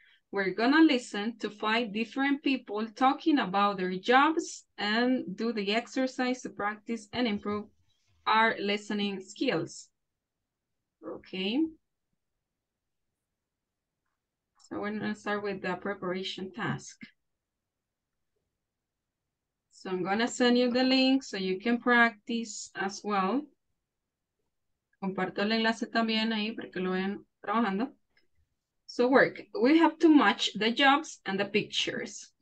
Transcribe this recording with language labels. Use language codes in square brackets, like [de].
[en] We're gonna listen to five different people talking about their jobs and do the exercise to practice and improve our listening skills. Okay. So we're gonna start with the preparation task. So I'm gonna send you the link so you can practice as well. [es] Comparto el enlace también ahí para que lo vean trabajando. [en] So work, we have to match the jobs and the pictures.